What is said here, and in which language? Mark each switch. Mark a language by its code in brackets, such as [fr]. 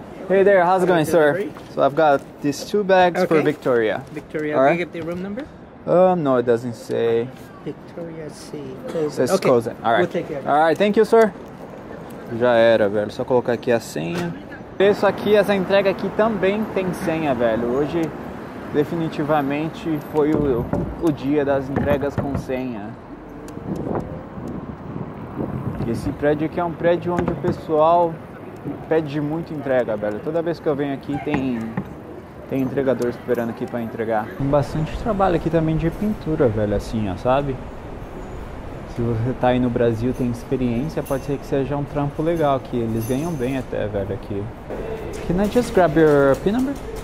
[en] Hey there, how's it going, sir? So I've got these two bags for Victoria. Victoria, can you get the room number? No, it doesn't say. Victoria C. Says closing. All right. We'll take care of it. All right, thank you, sir. [pt] Já era, velho. Só colocar aqui a senha. Isso aqui, essa entrega aqui também tem senha, velho. Hoje, definitivamente, foi o dia das entregas com senha. Esse prédio aqui é um prédio onde o pessoal pede muito entrega, velho. Toda vez que eu venho aqui tem entregador esperando aqui pra entregar. Tem bastante trabalho aqui também de pintura, velho, assim, ó, sabe? Se você tá aí no Brasil e tem experiência, pode ser que seja um trampo legal aqui. Eles ganham bem até, velho, aqui. [en] Can I just grab your PIN number?